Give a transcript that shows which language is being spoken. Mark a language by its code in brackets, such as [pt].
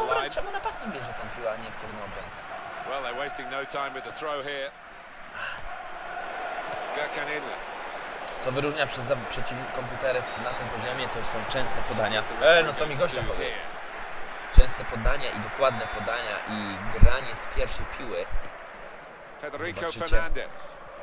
[pl] Czemu napastnik bierze tą piłę, a nie kurno obrońca? [en] Well, they're wasting no time with the throw here. Gökhan Inler. [pl] Co wyróżnia komputery na tym poziomie, to są częste podania. No co mi gościa powie? Częste podania i dokładne podania i granie z pierwszej piły. Federico Fernandez.